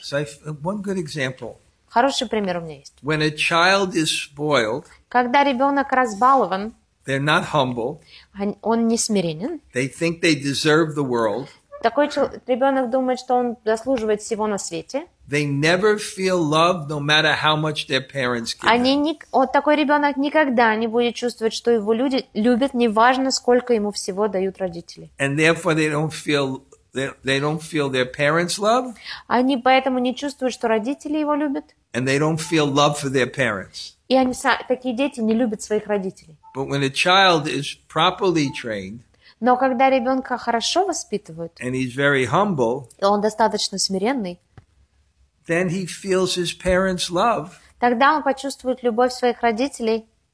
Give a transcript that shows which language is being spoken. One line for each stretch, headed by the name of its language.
English: So one good example.
Russian: Хороший пример у меня есть.
English: When a child is spoiled,
Russian: когда ребенок разбалован,
English: they're not humble,
Russian: он не смиренен,
English: they think they deserve the world,
Russian: такой ребенок думает, что он заслуживает всего на свете.
English: They never feel loved, no matter how much their parents give.
Russian: Вот такой ребенок никогда не будет чувствовать, что его люди любят, неважно, сколько ему всего дают родители.
English: And therefore they don't feel their parents love.
Russian: Они поэтому не чувствуют, что родители его любят.
English: And they don't feel love for their parents.
Russian: И они такие дети не любят своих родителей.
English: But when a child is properly trained.
Russian: Но когда ребенка хорошо воспитывают.
English: And he's very humble.
Russian: И он достаточно смиренный.
English: Then he feels his parents' love.
Russian: Тогда он почувствует любовь своих родителей.